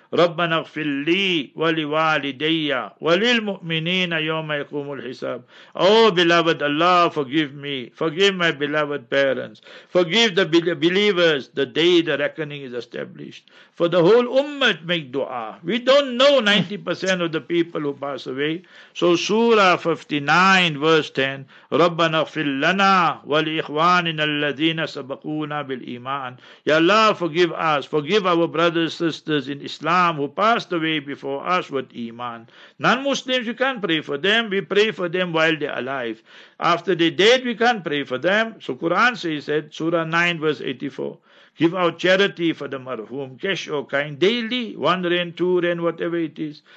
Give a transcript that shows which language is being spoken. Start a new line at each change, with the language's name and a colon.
Arabic: ربنا اغفر لي ولوالدي وللمؤمنين يوم يقوم الحساب.
English: Oh beloved Allah, forgive me, forgive my beloved parents, forgive the believers the day the reckoning is established. For the whole ummah, make dua. We don't know 90% of the people who pass away. So Surah 59 verse 10,
Arabic: ربنا اغفر لنا والإخواننا الذين سبقونا بالإيمان.
English: Ya Allah, forgive us, forgive our brothers, sisters in Islam who passed away before us with Iman. Non-Muslims, you can't pray for them. We pray for them while they're alive. After they're dead, we can't pray for them. So Quran says that, Surah 9 verse 84, give out charity for the marhum, cash or kind, daily, 1 rand, 2 rand, whatever it is.